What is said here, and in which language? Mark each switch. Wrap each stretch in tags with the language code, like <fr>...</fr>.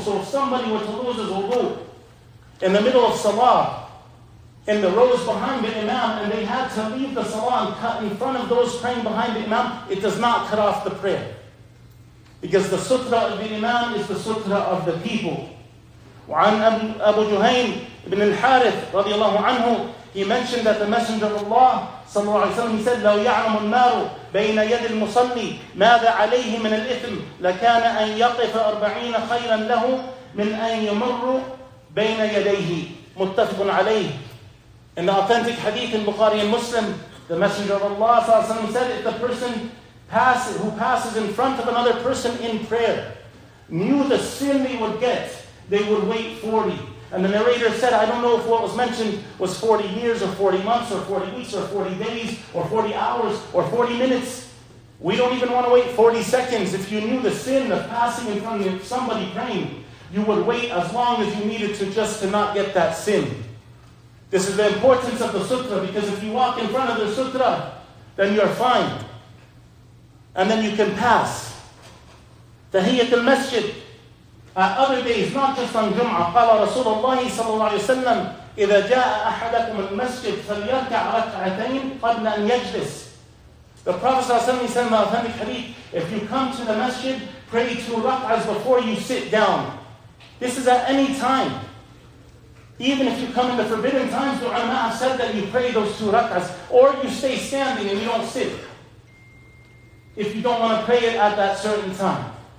<en>So if somebody were to lose his wudu in the middle of salah, in the rows behind the imam, and they had to leave the salah and cut in front of those praying behind the imam, it does not cut off the prayer. Because the sutra of the imam is the sutra of the people.</en> <ar>وعن أبو جهيم بن الحارث رضي الله عنه,</ar> <en>he mentioned that the Messenger of Allah صلى الله عليه وسلم, he said,</en> <ar>لو يعلم النار بين يد المصلي ماذا عليه من الإثم لكان أن يقف أربعين خيرا له من أن يمر بين يديه. متفق عليه.</ar> <en>In the authentic hadith in Bukhari and Muslim, the Messenger of Allah said, if the person who passes in front of another person in prayer knew the sin they would get, they would wait 40. And the narrator said, I don't know if what was mentioned was 40 years or 40 months or 40 weeks or 40 days or 40 hours or 40 minutes. We don't even want to wait 40 seconds. If you knew the sin of passing in front of somebody praying, you would wait as long as you needed to just to not get that sin. This is the importance of the sutra, because if you walk in front of the sutra, then you're fine. And then you can pass. Tahiyyat al-Masjid. At other days, not just on Jum'ah,</en> <ar>قَالَ رَسُولَ اللَّهِ صَلَى اللَّهِ عَلَيْهِ وَسَلَّمْ إِذَا جَاءَ أَحَدَكُمُ الْمَسْجِدِ فَلْيَرْكَعْ رَكْعَتَيْنِ قَبْلَ أَنْ يَجْلِسِ.</ar> <en>The Prophet ﷺ said in the authentic hadith, if you come to the masjid, pray two rak'ahs before you sit down. This is at any time. Even if you come in the forbidden times, the ulama have said that you pray those two rak'ahs, or you stay standing and you don't sit, if you don't want to pray it at that certain time.</en>